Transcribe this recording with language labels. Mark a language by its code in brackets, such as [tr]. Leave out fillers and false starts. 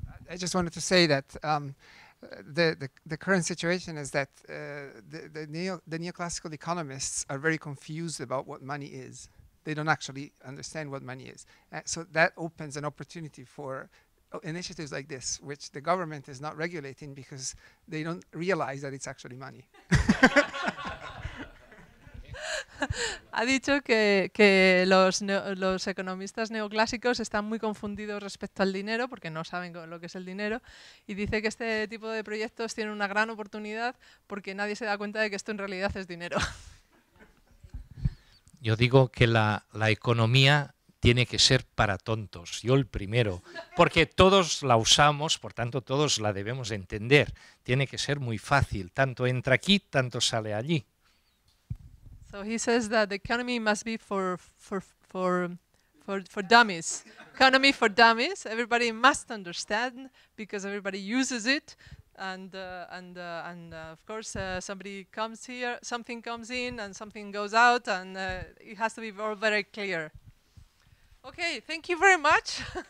[en] I just wanted to say that the current situation is that the neoclassical economists are very confused about what money is. They don't actually understand what money is. So that opens an opportunity for initiatives like this, which the government is not regulating because they don't realize that it's actually money. [es] Ha dicho que los economistas neoclásicos están muy confundidos respecto al dinero porque no saben lo que es el dinero y dice que este tipo de proyectos tienen una gran oportunidad porque nadie se da cuenta de que esto en realidad es dinero. Yo digo que la economía tiene que ser para tontos, yo el primero, porque todos la usamos, por tanto todos la debemos entender. Tiene que ser muy fácil, tanto entra aquí, tanto sale allí. [en] So he says that the economy must be for dummies. Economy for dummies. Everybody must understand because everybody uses it, and of course somebody comes here, something comes in, and something goes out, and it has to be very, very clear. Okay, thank you very much.